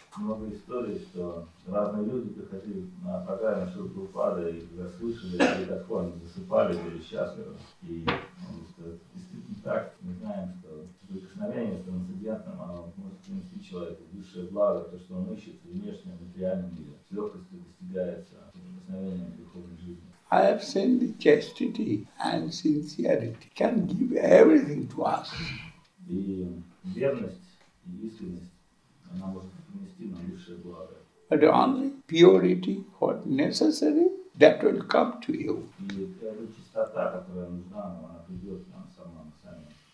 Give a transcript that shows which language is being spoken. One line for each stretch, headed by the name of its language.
Russian: Много историй, что разные люди приходили на программу Шилы Упады, и когда слышали, и как они засыпали, были счастливы. И действительно так, мы знаем, что прикосновение с трансцендентным, оно может принести человеку высшее благо, то, что он ищет в внешнем материальном мире. С легкостью достигается прикосновением духовной жизни.
English: I have seen the chastity and sincerity can give everything to us.
Russian: И верность, и искренность, она может принести нам высшее благо.
English: But only purity, what necessary, that will come to you.
Russian: И эта чистота, которая нужна, она придет нам сама, сами.